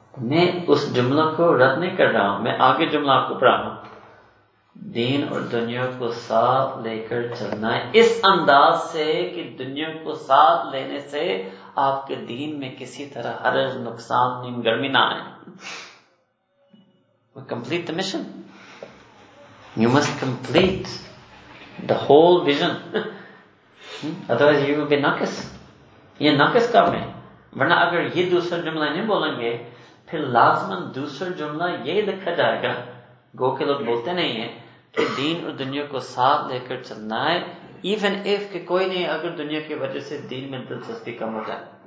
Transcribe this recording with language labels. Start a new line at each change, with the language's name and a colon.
Urdu: میں اس جملہ کو رد نہیں کر رہا ہوں، میں آگے جملہ آپ کو پڑھا ہوں، دین اور دنیا کو ساتھ لے کر چلنا ہے اس انداز سے کہ دنیا کو ساتھ لینے سے آپ کے دین میں کسی طرح حرج، نقصان، نیم گرمی نہ آئے.
English: We complete the mission. You must complete the whole vision. Otherwise you will be ناقص.
Urdu: یہ ناقص کام ہے، ورنہ اگر یہ دوسرا جملہ نہیں بولیں گے پھر لازمن دوسرا جملہ یہی لکھا جائے گا، گو کے لوگ بولتے نہیں ہیں کہ دین اور دنیا کو ساتھ لے کر چلنا ہے،
English: even if
Urdu: کہ کوئی نہیں اگر دنیا کی وجہ سے دین میں دلچسپی کم ہو جائے.